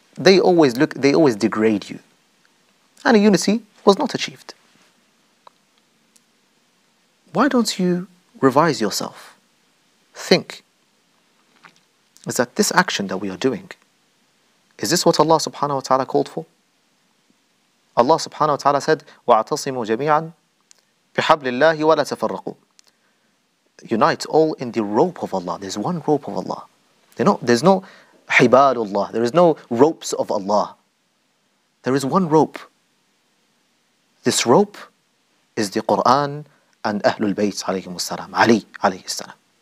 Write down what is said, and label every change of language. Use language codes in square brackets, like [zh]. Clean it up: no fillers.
[en] They always degrade you. And a unity was not achieved. Why don't you revise yourself? Think, is that this action that we are doing, is this what Allah subhanahu wa ta'ala called for? [ar] Allah subhanahu wa ta'ala said, وَاعْتَصِمُوا جَمِيعًا بِحَبْلِ اللَّهِ وَلَا تَفَرَّقُوا. [en] Unite all in the rope of Allah. There's one rope of Allah. There's no [ar] حِبَالُ اللَّهِ. [en] There is no ropes of Allah. There is one rope. This rope is the Qur'an and Ahlul Bayt alayhim as-salam, Ali alayhi as-salam.